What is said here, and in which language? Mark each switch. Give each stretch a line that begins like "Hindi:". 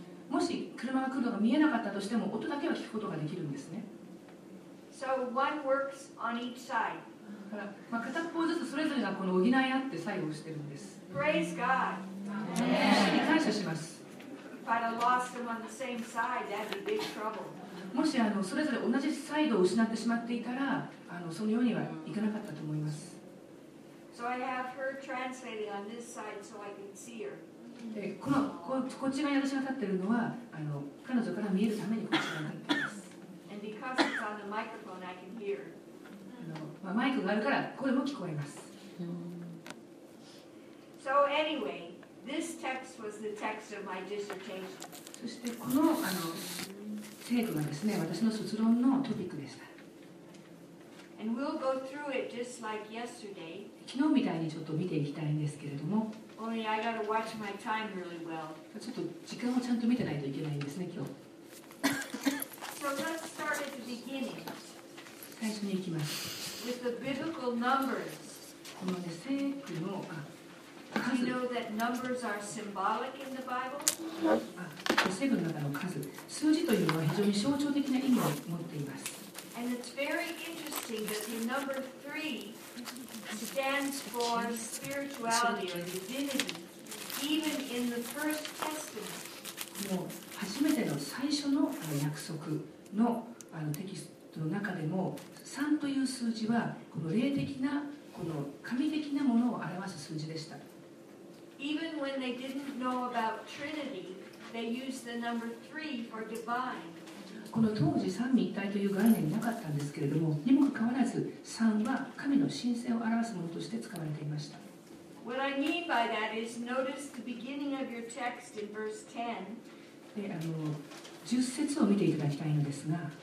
Japanese: もし車が来るのが見えなかったとしても音だけは聞くことができるんですね。
English: So one works on each side.
Japanese: まあ、片方ずつそれぞれがこの補い合って作用してるんです。
English: Praise God.
Japanese: 主に感謝します。
English: But I lost them on the same side, that'd be big trouble.
Japanese: もしそれぞれ同じサイドを失ってしまっていたらそのようにはいかなかったと思います。
English: So I have her translating on this side so I can see her.
Japanese: で こっち側に私が立っているのは彼女から見えるためにこっち側に立っています。
English: And because it's on the microphone, I can hear.
Japanese: まあ、マイクがあるから声も聞こえます。
English: So anyway, this text was the text of my dissertation.
Japanese: そしてこの聖句がですね、私の卒論のトピックでした。
English: And we'll go through it just like yesterday.
Japanese: 昨日みたいにちょっと見ていきたいんですけれども、
English: Only I gotta watch my time really well.
Japanese: ちょっと時間をちゃんと見てないといけないんですね、今日。
English: So let's start at the beginning.
Japanese: 最初に行きます。
English: With the biblical numbers.
Japanese: このね、聖句の数。
English: Do you know that numbers are symbolic in the Bible?
Japanese: 聖句の中の数、数字というのは非常に象徴的な意味を持っています。
English: And it's very interesting that the number three. Stands for spirituality or divinity, even in the first testament.
Japanese: もう初めての最初の約束のテキストの中でも、3という数字はこの霊的なこの神的なものを表す数字でした。
English: Even when they didn't know about Trinity, they used the number three for divine.
Japanese: この当時三位一体という概念なかったんですけれども、にもかかわらず三は神の神性を表すものとして使われていました。
English: What I mean by that is notice the beginning of your text in verse 10.
Japanese: で十節を見ていただきたいのですが、